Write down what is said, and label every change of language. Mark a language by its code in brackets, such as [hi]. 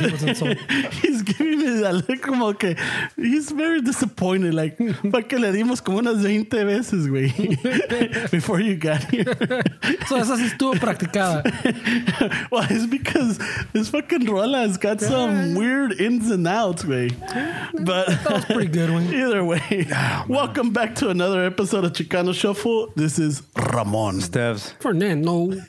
[en] He's giving me that look [es] como que [en] he's very disappointed. Like, [es] ¿pa que le dimos como unas 20 veces, güey? [en] Before you got here. [es] So esa sí estuvo practicada. [en] Well, it's because this fucking rola has got some weird ins and outs, güey. But that was pretty good one. Either way, oh, welcome back to another episode of Chicano Shuffle. This is Ramon. Steves. Fernando.